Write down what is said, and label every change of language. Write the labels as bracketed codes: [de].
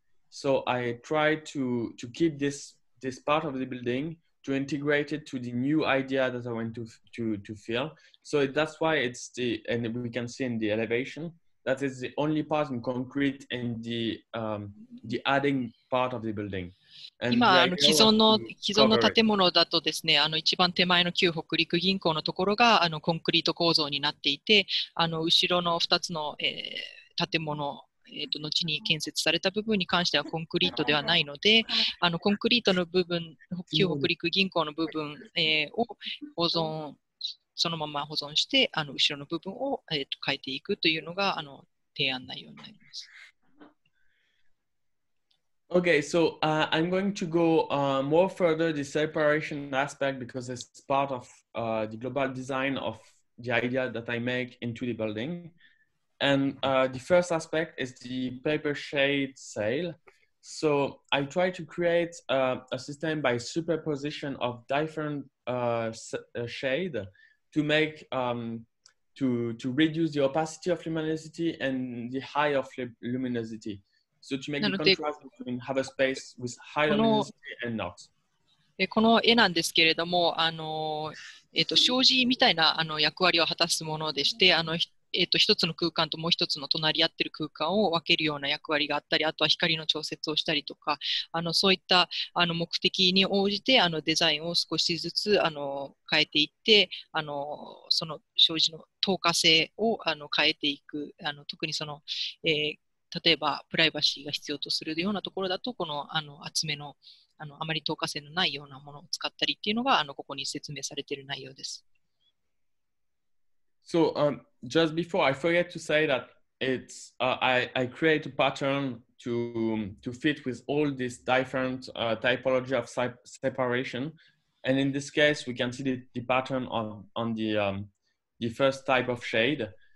[en] So I tried to keep this part of the building. To integrate it to the new idea that I want to feel. So that's why it's the, and we can see in the elevation, that is the only part in concrete and the adding part of the building. [ja] 今既存の建物だとですね、一番手前の旧北陸銀行のところがコンクリート構造になっていて、後ろの2つの、建物後に建設された部分に関してはコンクリートではないので、コンクリートの部分、旧北陸銀行の部分、を保存、そのまま保存して、後ろの部分を、変えていくというのが提案内容になります。 [en] Okay, so, I'm going to go, more further the separation aspect because it's part of, the global design of the idea that I make into the building. And the first aspect is the paper shade sail. So I try to create a system by superposition of different shade to make, to reduce the opacity of luminosity and the high of luminosity. So to make the contrast between have a space with high luminosity and not. [ja] この絵なんですけれども、障子みたいな役割を果たすものでして、一つの空間ともう一つの隣り合っている空間を分けるような役割があったり、あとは光の調節をしたりとか、そういった目的に応じてデザインを少しずつ変えていって、その障子の透過性を変えていく、特にその、例えばプライバシーが必要とするようなところだと、この厚めのあまり透過性のないようなものを使ったりっていうのがここに説明されている内容です。 [en] So, just before I forget to say that it's I create a pattern to fit with all these different typology of separation, and in this case we can see the pattern on the first type of shade.